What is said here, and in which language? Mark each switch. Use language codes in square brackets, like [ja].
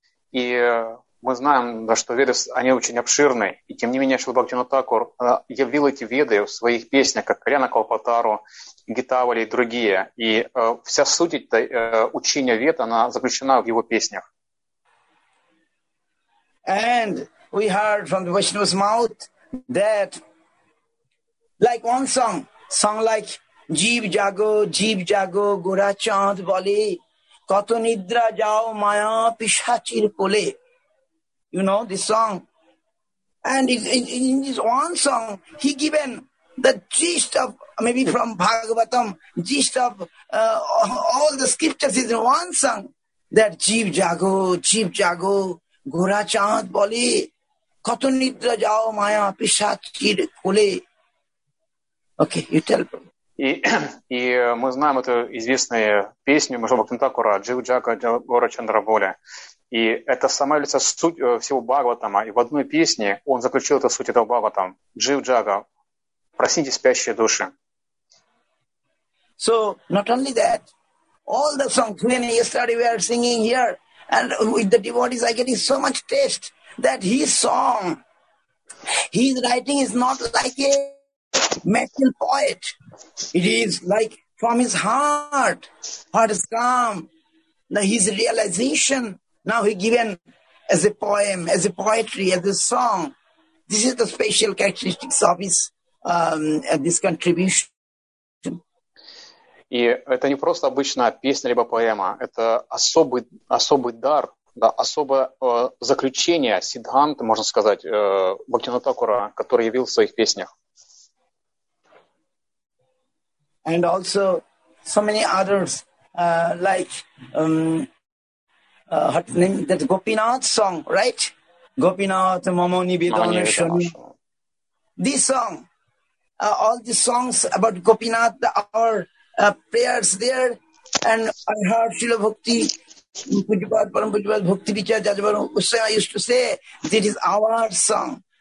[ru] И мы знаем, что веды, они очень обширны. И тем не менее, Шрила Бхактивинода Тхакур явил эти веды в своих песнях, как Кальяна Калпатару, Гитавали и другие. И вся суть этой учения вед, она заключена в его песнях. [en] And we heard from the Vaishnava's mouth that like one song like Jeev Jago, Gora Chant Bale, Kato Nidra Jao Maya Pishachir Pole. You know this song. And in this one song, he given the gist of, maybe from Bhagavatam, gist of all the scriptures is in one song, that Jeev Jago, Gora Chant Bale, Kato Nidra Jao Maya Pishachir Kole. Okay, you tell. [ru] И мы знаем эту известную песню Шрила Бхактивинода Тхакура «Джива Джага Гора Чандра Воля». И это сама является суть всего Бхагаватама. И в одной песне он заключил эту суть этого Бхагаватам. «Джива Джага, просите спящие души». [en] So, not only that, all the songs, when yesterday we are singing here, And with the devotees, I getting so much taste that his song, his writing is not like a metal poet. It is like from his heart. Heart has come. Now his realization, now he given as a poem, as a poetry, as a song. This is the special characteristics of his this contribution. [ru] И это не просто обычная песня либо поэма, это особый дар, да, особое заключение сиддханта, можно сказать, Бхактивинода Тхакура, который явил в своих песнях. [en] And also so many others, that Gopinath song, right? Gopinath, Mamo Nibedana Shami. This song, all the songs about Gopinath are prayers there, and I heard Srila Bhakti, Pujibad, Param Pujibad, Bhakti Vichar, Jajabaram, Usain, I used to say, this is our song.